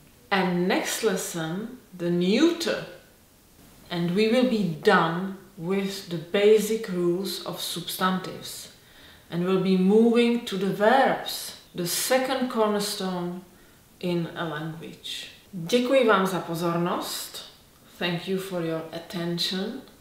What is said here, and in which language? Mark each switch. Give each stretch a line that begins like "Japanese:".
English: And next lesson, the neuter. And we will be done with the basic rules of substantives. And we'll be moving to the verbs, the second cornerstone in a language.
Czech: Děkuji vám za pozornost.
English: Thank you for your attention.